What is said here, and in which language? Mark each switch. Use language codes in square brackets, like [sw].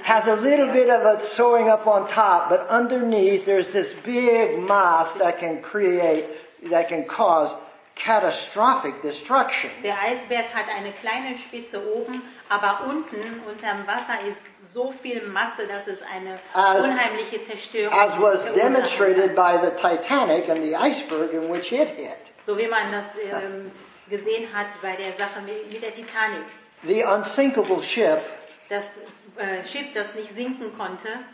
[en] has a little bit of a sewing up on top, but underneath there's this big mass that can cause catastrophic destruction. [de] Der Eisberg hat eine kleine Spitze oben, aber unten unterm Wasser ist so viel Masse, dass es eine unheimliche Zerstörung kann. [en] As was demonstrated by the Titanic and the iceberg in which it hit. [de] So wie man das gesehen hat bei der Sache mit der Titanic. [en] The unsinkable ship. [de] Das Schiff, das nicht sinken konnte,